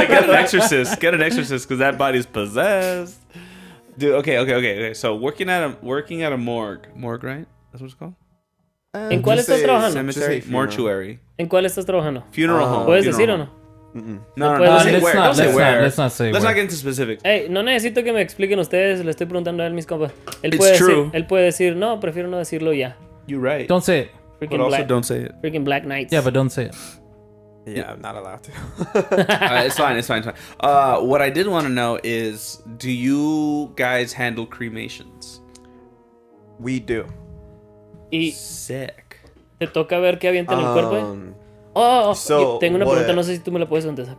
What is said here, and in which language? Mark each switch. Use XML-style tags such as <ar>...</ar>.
<en>Yeah. Get an exorcist, because that body's possessed. Dude, okay. So, working at a morgue. Morgue, right? That's what it's called?</en> <es>¿En cuál estás trabajando?</es> <en>Cemetery, mortuary.</en> <es>¿En cuál estás trabajando?</es> <en>Funeral home.</en> <es>¿Puedes decir o no?</es> <en>No, let's not say where. Let's not get into specifics.</en> <es>Hey, no necesito que me expliquen ustedes. Le estoy preguntando a él, mis compas. Él puede decir, no, prefiero no decirlo ya.</es> <en>You're right. Don't say it. Freaking but also black, don't say it. Freaking Black Knights. Yeah, but don't say it. Yeah, I'm not allowed to. It's fine. What I did want to know is, do you guys handle cremations? We do. Sick.</en> <es>Te toca ver qué avienta en el cuerpo. Tengo una pregunta. No sé si tú me la puedes contestar.</es>